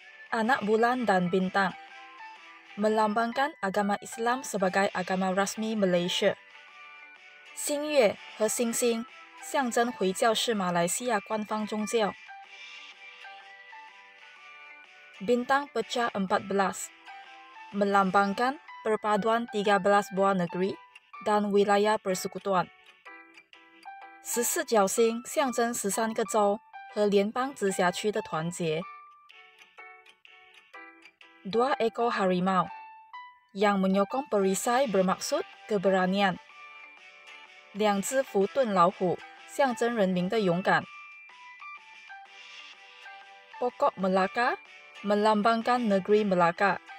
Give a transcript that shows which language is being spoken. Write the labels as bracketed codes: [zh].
[ms] Anak bulan dan bintang. Melambangkan agama Islam sebagai agama rasmi Malaysia. [zh] 星月和星星象征回教是马来西亚官方宗教。 [ms] Bintang pecah 14. Melambangkan perpaduan 13 buah negeri dan wilayah persekutuan. [zh] 14角星象征13个州和联邦直辖区的团结。 [ms] 2 ekor harimau yang menyokong perisai bermaksud keberanian. [zh] 2只福顿老虎象征人民的勇敢。 [ms] Pokok Melaka melambangkan negeri Melaka.